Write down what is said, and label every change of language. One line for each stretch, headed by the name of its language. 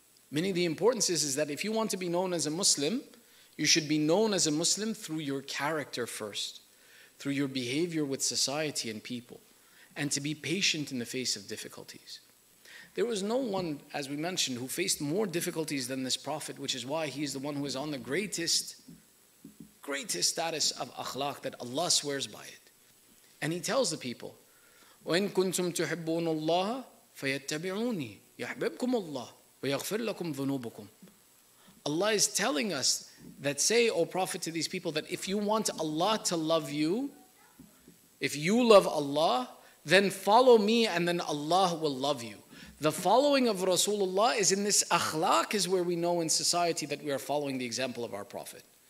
English: Meaning the importance is that if you want to be known as a Muslim, you should be known as a Muslim through your character first, through your behavior with society and people, and to be patient in the face of difficulties. There was no one, as we mentioned, who faced more difficulties than this Prophet, which is why he is the one who is on the greatest, greatest status of akhlaq, that Allah swears by it. And he tells the people,
Arabic: وَإِن كُنْتُمْ تُحِبُّونَ اللَّهَ فَيَتَّبِعُونِي يَحْبِبْكُمُ اللَّهُ وَيَغْفِرْ لَكُمْ ذُنُوبُكُمْ.
English: Allah is telling us that, say, O Prophet, to these people, that if you want Allah to love you, if you love Allah, then follow me and then Allah will love you. The following of Rasulullah is in this akhlaq, is where we know in society that we are following the example of our Prophet.